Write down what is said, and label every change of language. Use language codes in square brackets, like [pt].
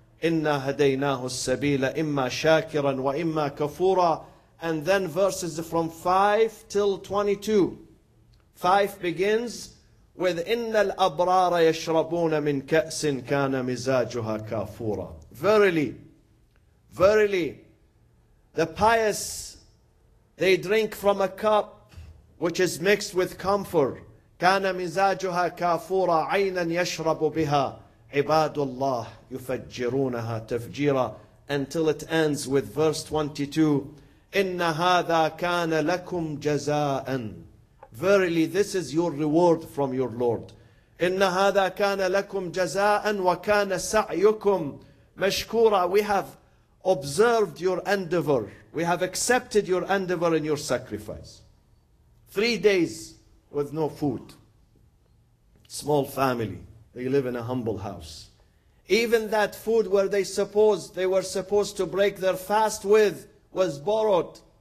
[ar] إنا هديناه السبيل إما شاكرا وإما كفورا. [en] And then verses from 5 till 22. 5 begins with [ar] إن الأبرار يشربون من كأس كان مزاجها كافورا. [en] Verily, verily, the pious, they drink from a cup which is mixed with camphor. [ar] كان مزاجها كافورا عينا يشرب بها عباد الله يفجرونها تفجيرا. [en] Until it ends with verse 22. [ar] إن هذا كان لكم جزاء. [en] Verily, this is your reward from your Lord. [ar] إن هذا كان لكم جزاء وكان سعيكم مشكورا. [en] We have observed your endeavor. We have accepted your endeavor and your sacrifice. 3 days with no food. Small family. They live in a humble house. Even that food where they were supposed to break their fast with was borrowed.